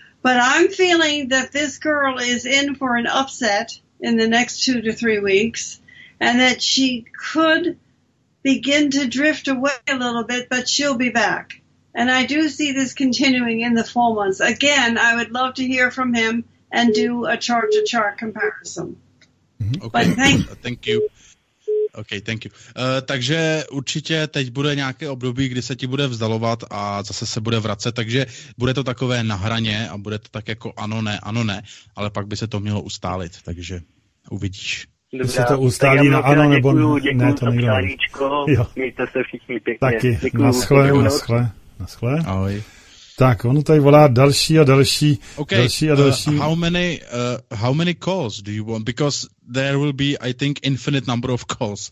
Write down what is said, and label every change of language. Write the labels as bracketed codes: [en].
[en] But I'm feeling that this girl is in for an upset in the next 2 to 3 weeks and that she could begin to drift away a little bit, but she'll be back. And I do see this continuing in the fall months. Again, I would love to hear from him and do a chart-to-chart comparison. Okay. But thank you. OK, thank you. [cs] Takže určitě teď bude nějaké období, kdy se ti bude vzdalovat a zase se bude vracet, takže bude to takové na hraně a bude to tak jako ano, ne, ale pak by se to mělo ustálit, takže uvidíš. Dobrá, se to ustálí na ano nebo děkuju, ne, to nikdo nevím. Mějte se všichni pěkně. Taky, naschle, naschle, naschle. Ahoj. Tak, ono tady volá další a další, okay, další a další. [en] How many calls do you want? Because there will be, I think, infinite number of calls.